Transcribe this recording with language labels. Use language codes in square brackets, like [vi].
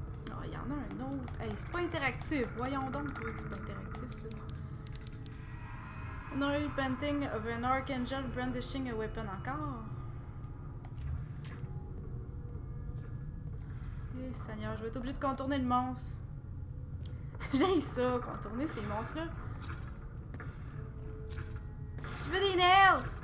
[fr] Oh, il y en a un autre. Hey, c'est pas interactif. Voyons donc que c'est pas interactif, ça. [en] An oil painting of an archangel brandishing a weapon [fr] encore. Hey, Seigneur, je vais être obligée de contourner le monstre. J'ai ça, contourner ces monstres-là. Je veux des nails!